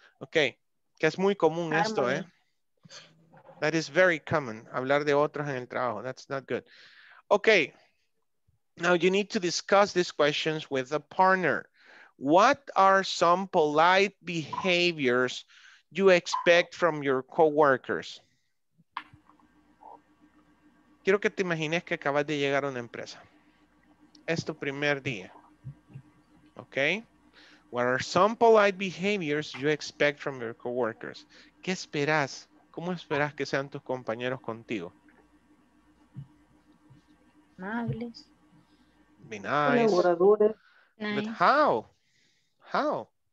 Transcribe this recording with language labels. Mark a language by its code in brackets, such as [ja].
[es] Okay, que es muy común esto, eh? [en] That is very common. [es] Hablar de otros en el trabajo. [en] That's not good. [es] Okay. [en] Now you need to discuss these questions with a partner. What are some polite behaviors you expect from your coworkers? [es] Quiero que te imagines que acabas de llegar a una empresa. Es tu primer día. Okay? [en] What are some polite behaviors you expect from your coworkers? [es] ¿Qué esperas? ¿Cómo esperas que sean tus compañeros contigo? Amables. [en] Be nice. But how? How?